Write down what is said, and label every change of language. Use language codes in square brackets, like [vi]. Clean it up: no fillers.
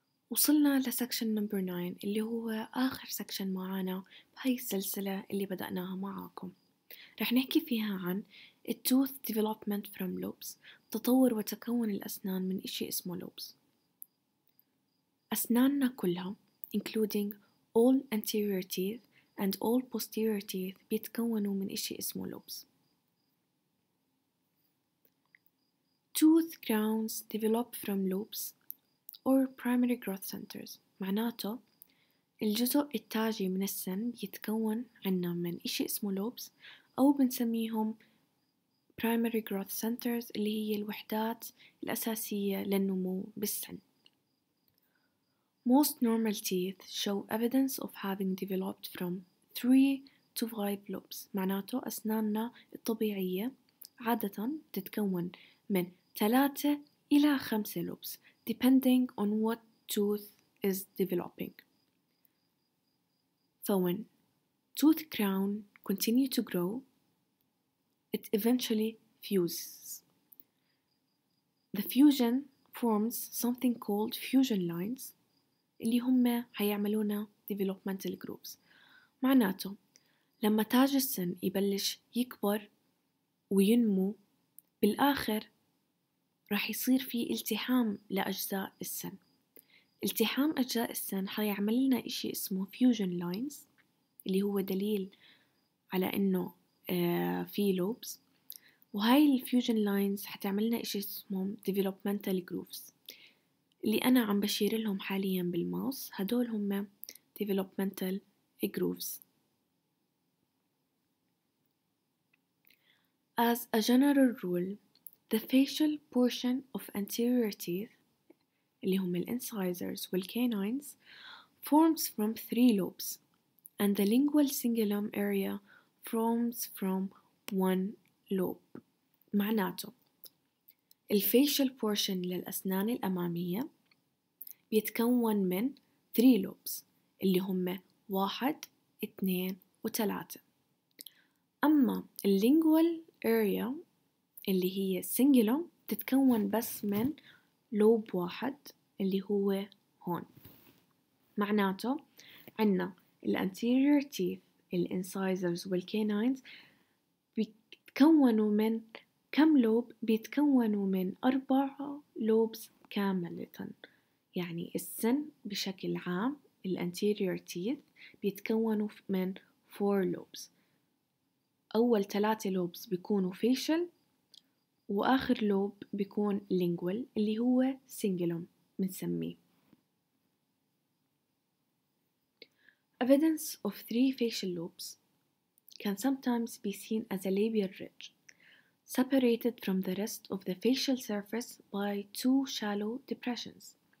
[ar] وصلنا لسكشن نمبر 9 اللي هو آخر سكشن معانا بهاي السلسلة اللي بدأناها معاكم. رح نحكي فيها عن التوث ديفلوبمنت فروم لوبس، تطور وتكون الأسنان من إشي اسمه لوبس. أسناننا كلها [en] including all anterior teeth and all posterior teeth [ar] بيتكونوا من إشي اسمه [en] lobes. Tooth crowns develop from lobes or primary growth centers. [ar] معناته الجزء التاجي من السن بيتكون عنا من إشي اسمه lobes أو بنسميهم primary growth centers اللي هي الوحدات الأساسية للنمو بالسن. [en] Most normal teeth show evidence of having developed from 3 to 5 lobes. [ar] معناته أسناننا الطبيعية عادة تتكون من 3 إلى 5 lobes [en] depending on what tooth is developing. So when tooth crown continue to grow, it eventually fuses. The fusion forms something called fusion lines [ar] اللي هم هيعملونا [en] developmental groups. [ar] معناته لما تاج السن يبلش يكبر وينمو بالآخر راح يصير في التحام لأجزاء السن. التحام أجزاء السن هيعمل لنا إشي اسمه fusion lines اللي هو دليل على إنه في lobes، وهاي fusion lines هتعمل لنا إشي اسمه developmental groups اللي أنا عم بشير لهم حالياً بالماوس. هدول هم developmental grooves. [en] As a general rule, the facial portion of anterior teeth [ar] اللي هم [en] the incisors والcanines forms from 3 lobes and the lingual cingulum area forms from 1 lobe. [ar] معناته الfacial portion للأسنان الأمامية بيتكون من 3 lobes اللي هم 1، 2، و3. أما اللينجوال أريا اللي هي السنجلوم تتكون بس من لوب واحد اللي هو هون. معناته عنا الأنتيريور تيث الإنسايزرز والكينينز بيتكونوا من كم لوب؟ بيتكونوا من 4 lobes كاملة. يعني السن بشكل عام الـ anterior teeth بيتكونوا من 4 lobes. أول 3 lobes بيكونوا facial وآخر lobe بيكون lingual اللي هو cingulum منسميه. [en] Evidence of 3 facial lobes can sometimes be seen as a labial ridge separated from the rest of the facial surface by 2 shallow depressions.